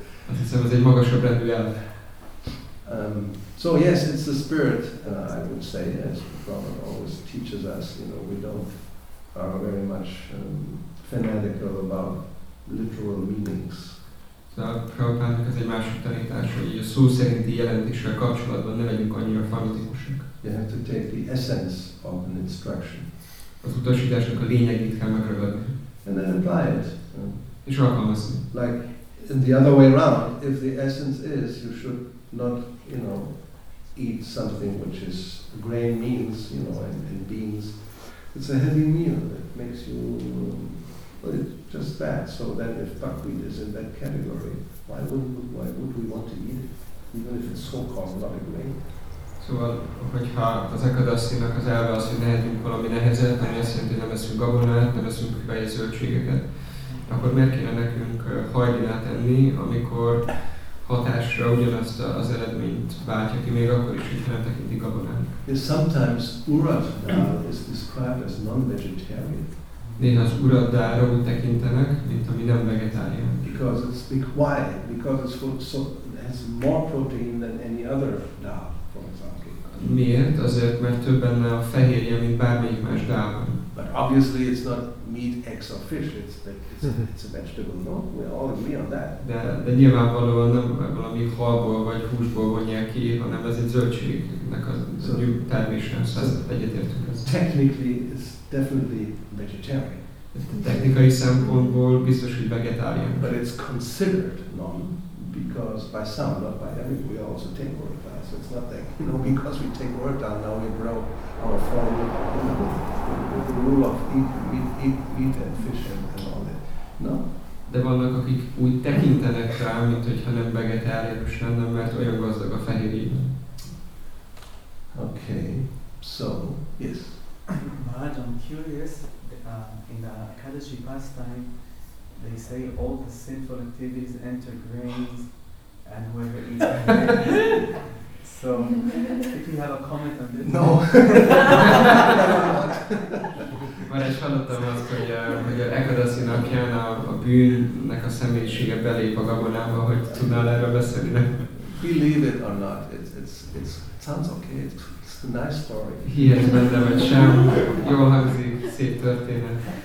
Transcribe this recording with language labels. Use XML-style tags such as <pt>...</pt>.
<hu>Azt hiszem, ez egy magasabb rendű elv.</hu> <en>So yes, it's the spirit, I would say, as Prabhupada always teaches us, you know, we don't are very much fanatical about literal meanings.</en> <hu>So Prabhupada, ez egy másik tanítás, hogy a szó szerinti jelentéssel kapcsolatban ne legyünk annyira fanatikusak.</hu> <en>You have to take the essence of an instruction.</en> <hu>Az utasításnak a lényegét kell megragadni.</hu> <en>And then apply it.</en> <hu>És alkalmazni.</hu> <en>Like in the other way around, if the essence is, you should not, you know, eat something which is grain meals, you know, and beans. It's a heavy meal that makes you, well, it's just that. So then if buckwheat is in that category, why would we want to eat it, even if it's so-called not a grain?</en> <hu>Szóval, hogyha az Ekadasinak az elve az, hogy ne ettünk valami nehezet, ami azt jelenti, hogy nem eszünk gabonát, nem eszünk hüvelyi zöldségeket, akkor miért kéne nekünk hajlinát enni, amikor hatásra ugyanazt az eredményt váltja ki, még akkor is, hogy nem tekinti gabonának.</hu> <en>Sometimes urat dál is described as non-vegetarian.</en> <hu>Néha az urat dálra úgy tekintenek, mint ami nem vegetarian.</hu> <en>Because it's big, why? Because it's full, so has more protein than any other dal.</en> <hu>Miért? Azért, mert több benne a fehérje, mint bármelyik más dálban.</hu> <en>But obviously it's not meat, eggs or fish, it's a vegetable, no? We all agree on that.</en> <hu>De nyilvánvalóan nem valami halból vagy húsból vonják ki, hanem ez egy zöldségnek a nyug termése, szóval egyetértünk ezt.</hu> <en>Technically it's definitely vegetarian.</en> <hu>Technikai szempontból biztos, hogy vegetarian.</hu> <en>But it's considered non, because by some, not by every, we also take more. So it's not that, you know, because we take work down, now we grow our form, you know, with the rule of eat and fish and all that, no?</en> <hu>De vannak, akik úgy tekintenek rá, mint hogyha nem vegetáriánus lenne, mert olyan gazdag a fehérjében.</hu> <en>Okay, so, yes. But I'm curious, in the Kadashi pastime, they say all the sinful activities enter grains and whoever eats so, if you have a comment on this. No.</en> <hu>Már is hallottam azt, hogy a Ekadasi napján a bűnnek a személyisége belép a gabonába, hogy tudnál erről beszélni, nem?</hu> <en>Believe it or not, it's sounds okay, it's a nice story.</en> <hu>Hihet benne, vagy sem. Jól hangzik, szép történet.</hu>